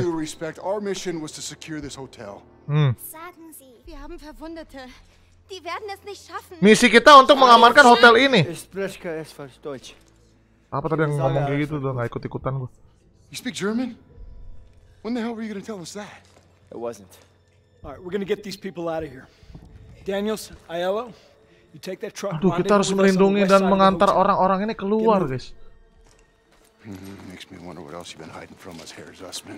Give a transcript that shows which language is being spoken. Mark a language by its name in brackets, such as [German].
[English] With all due respect, our mission was to secure this hotel. [German] Sagen Sie, wir haben Verwundete. Die werden es nicht schaffen. [Indonesian] Misi kita untuk mengamankan hotel ini. Apa tadi yang ngomong kayak gitu, udah nggak ikut-ikutan gua. [English] You speak German? When the hell were you gonna tell us that? It wasn't. All right, we're gonna get these people out of here. Daniels, Aiello, you take that truck. [Indonesian] Aduh, kita harus melindungi dan mengantar orang-orang ini keluar, guys. [English] Makes me wonder what else you've been hiding from us, Herr Zussman.